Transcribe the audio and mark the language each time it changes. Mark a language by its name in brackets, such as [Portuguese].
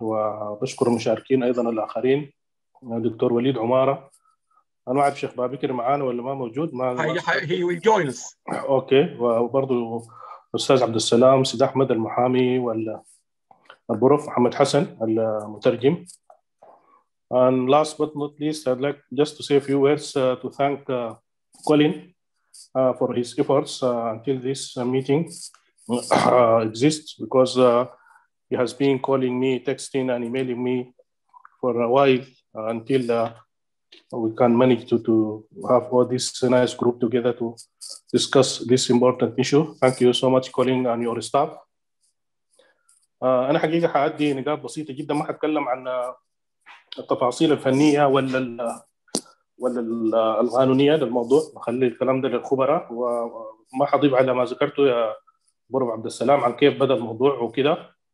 [Arabic] وبشكر المشاركين أيضا الآخرين، دكتور وليد عمارة. أنا ما أعرف شيخ بابكر معانا ولا ما موجود، ما [English] He will join us. [Arabic] أوكي. وبرضو أستاذ عبد السلام، سيد أحمد المحامي، والبروف محمد حسن المترجم. [English] And last but not least, I'd like just to say a few words to thank Colin for his efforts until this meeting exists, because he has been calling me, texting and emailing me for a while until we can manage to have all this nice group together to discuss this important issue. Thank you so much, Colin, and your staff. [Arabic] أنا حقيقة حأدي نقاط بسيطة جدا، ما حتكلم عن التفاصيل الفنية ولا القانونية للموضوع، بخلي الكلام ده للخبراء، وما حضيف على ما ذكرته يا برب عبد السلام عن كيف بدأ الموضوع وكده.